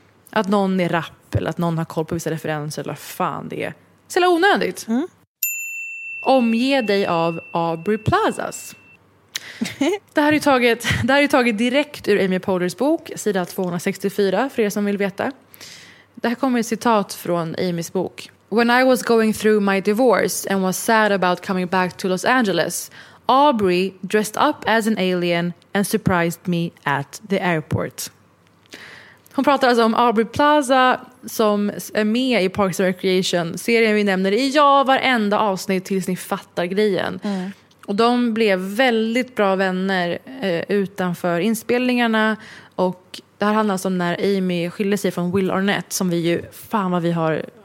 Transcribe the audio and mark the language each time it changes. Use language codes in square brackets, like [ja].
[sv] Att någon är rapp eller att någon har koll på vissa referenser eller fan det är. Så onödigt. Mm. Omge dig av Aubrey Plazas. Det här är taget direkt ur Amy Poehlers bok, sida 264, för er som vill veta. Det här kommer ett citat från Amys bok. [en] When I was going through my divorce and was sad about coming back to Los Angeles, Aubrey dressed up as an alien and surprised me at the airport. [sv] Hon pratar alltså om Aubrey Plaza som är med i Parks and Recreation, serien vi nämner i varenda avsnitt tills ni fattar grejen. Mm. Och de blev väldigt bra vänner utanför inspelningarna. Och det här handlar alltså om när Amy skilde sig från Will Arnett, som vi ju, fan vad vi har...